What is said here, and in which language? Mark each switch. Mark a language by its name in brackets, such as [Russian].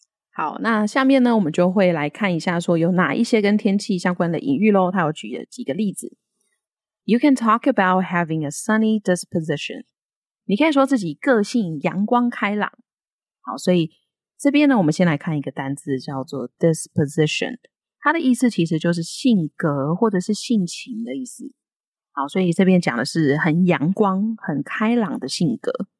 [Chinese] 好，那下面呢我们就会来看一下说有哪一些跟天气相关的隐喻咯，他有举了几个例子。 [English] You can talk about having a sunny disposition. [Chinese] 你可以说自己个性阳光开朗。好，所以这边呢我们先来看一个单字叫做 disposition。它的意思其实就是性格或者是性情的意思。好，所以这边讲的是很阳光很开朗的性格。